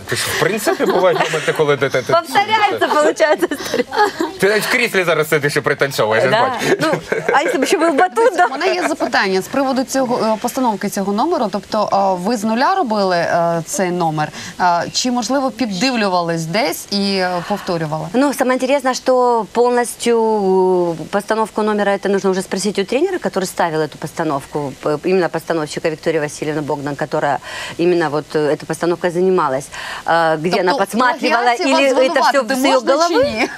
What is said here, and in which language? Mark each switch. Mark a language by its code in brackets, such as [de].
[ru] В принципе, бывает, когда ты... Повторяется, получается. Ты в кресле зараз сидишь и пританцовываешь. Да. Ну, а если бы еще был батут, да? У меня есть [uk] запитання с приводу цього, постановки цього номеру. Тобто, ви з нуля робили цей номер? Чи, можливо, піддивлювались десь і повторювали? [ru] Ну, самое интересное, что полностью постановку номера, это нужно уже спросить у тренера, который ставил эту постановку, именно постановщика Виктория Васильевна Богдан, которая именно вот эта постановка занималась. Где [uk] тобто, [ru] она подсматривала, или это все в ее голове.